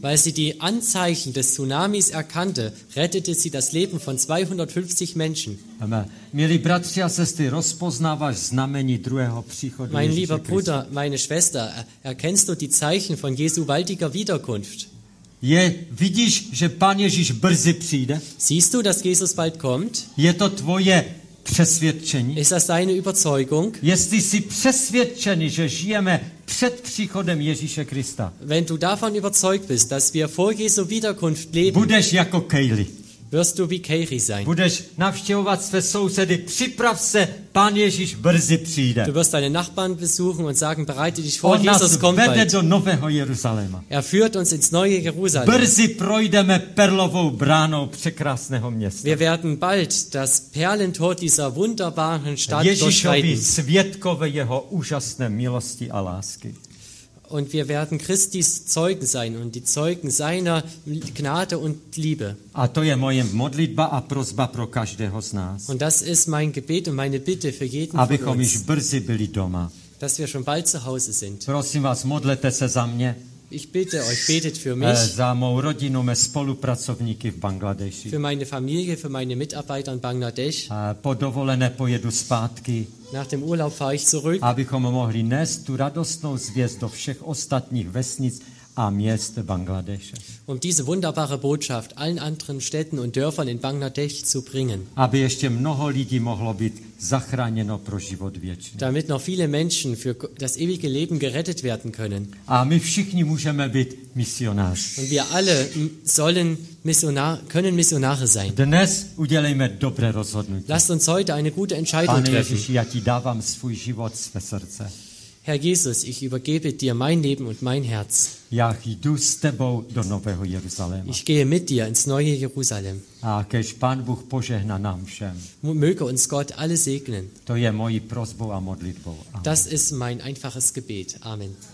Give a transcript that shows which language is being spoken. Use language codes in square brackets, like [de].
[de] Weil sie die Anzeichen des Tsunamis erkannte, rettete sie das Leben von 250 Menschen. Amen. [cs] Milí bratři a sestry, rozpoznáváš znamení druhého příchodu Ježíše Krista? [de] Mein lieber Bruder, meine Schwester, erkennst du die Zeichen von Jesu baldiger Wiederkunft? [cs] Vidíš, že Pán Ježíš brzy přijde? [de] Siehst du, dass Jesus bald kommt? [cs] Je to tvoje přesvědčení? [de] Ist das deine Überzeugung? [cs] Jestli jsi přesvědčený, že žijeme před příchodem Ježíše Krista. [de] Wenn du davon überzeugt bist, dass wir vor Jesu Wiederkunft leben. [cs] Budeš jako Kaylee. [de] Wirst du wie Kaylee sein? [cs] Budeš navštěvovat své sousedy, připrav se, Pán Ježíš brzy přijde. [de] Du wirst deine Nachbarn besuchen und sagen, bereite dich vor, Jesus kommt bald. [cs] On nás vede do nového Jeruzaléma. [de] Er führt uns ins neue Jeruzalém. [cs] Brzy projdeme perlovou bránou překrásného města. [de] Wir werden bald das Perlentor dieser wunderbaren Stadt durchschreiten. [cs] Ježíšovi svědkové jeho úžasné milosti a lásky. [de] Und wir werden Christis Zeugen sein und die Zeugen seiner Gnade und Liebe. [cs] A to je moje modlitba a prosba pro každého z nás. [de] Und das ist mein Gebet und meine Bitte für jeden [cs] abychom [de] von uns. [cs] Abychom brzy byli doma. [de] Dass wir schon bald zu Hause sind. [cs] Prosím vás, modlete se za mě. [de] Ich bitte euch, betet für mich. [cs] Za mou rodinu, mé spolupracovníky v Bangladeši. [de] Für meine Familie, für meine Mitarbeiter in Bangladesch. [cs] Po dovolené pojedu zpátky. [de] Nach dem Urlaub fahre ich zurück. [cs] Abychom mohli nést tu radostnou zvěst do všech ostatních vesnic a měst Bangladeše. [de] Um diese wunderbare Botschaft allen anderen Städten und Dörfern in Bangladesch zu bringen. [cs] Aby ještě mnoho lidí mohlo být zachráněno pro život věčný. [de] Damit noch viele Menschen für das ewige Leben gerettet werden können. [cs] A my všichni můžeme být misionáři. [de] Und wir alle sollen können Missionare sein. [cs] Dnes udělejme dobré rozhodnutí. [de] Lasst uns heute eine gute Entscheidung treffen. [cs] Pane Ježíši, já ti dávám svůj život, své srdce. [de] Herr Jesus, ich übergebe dir mein Leben und mein Herz. [cs] Já jdu s tebou do nového Jeruzaléma. [de] Ich gehe mit dir ins neue Jerusalem. [cs] A kež Pán Bůh požehná nám všem. [de] Möge uns Gott alle segnen. [cs] To je mojí prosbou a modlitbou. [de] Amen. Das ist mein einfaches Gebet. Amen.